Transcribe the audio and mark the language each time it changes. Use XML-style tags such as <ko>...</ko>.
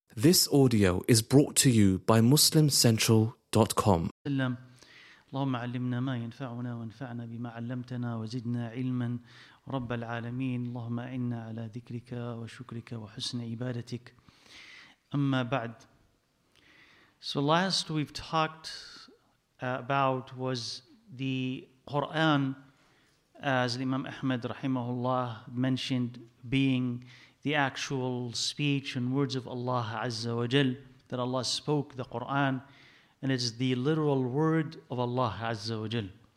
<en>This audio is brought to you by MuslimCentral.com.</en> <ar>اللهم علمنا ما ينفعنا وانفعنا بما علمتنا وزدنا علما رب العالمين اللهم إنا على ذكرك وشكرك وحسن عبادتك أما بعد.</ar> <en>So last we've talked about was the Quran, as Imam Ahmad rahimahullah mentioned, being the actual speech and words of Allah Azza wa Jal, that Allah spoke the Quran, and it's the literal word of Allah Azza wa Jal.</en>